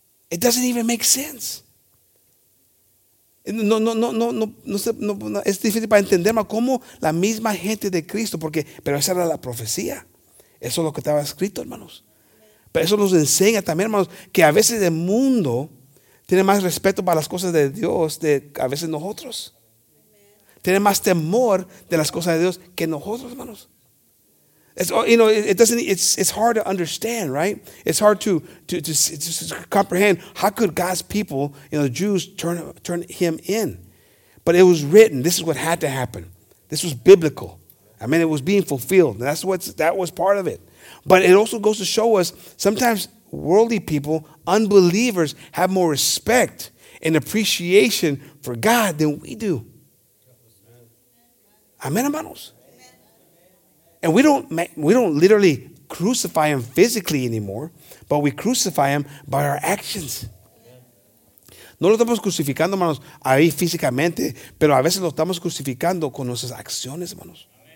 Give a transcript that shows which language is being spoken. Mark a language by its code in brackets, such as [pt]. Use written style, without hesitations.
[en] It doesn't even make sense. [es] No, es difícil para entender cómo la misma gente de Cristo, porque, pero esa era la profecía. Eso es lo que estaba escrito, hermanos. Pero eso nos enseña también, hermanos, que a veces el mundo tiene más respeto para las cosas de Dios de a veces nosotros. Tiene más temor de las cosas de Dios que nosotros, hermanos. [en] It's, you know, it's hard to understand, right? It's hard to comprehend. How could God's people, you know, the Jews, turn him in? But it was written. This is what had to happen. This was biblical. I mean, it was being fulfilled. That was part of it. But it also goes to show us sometimes worldly people, unbelievers, have more respect and appreciation for God than we do. [es] Amen, hermanos. [en] And we don't literally crucify him physically anymore, but we crucify him by our actions. [es] No lo estamos crucificando, hermanos, ahí físicamente, pero a veces lo estamos crucificando con nuestras acciones, hermanos.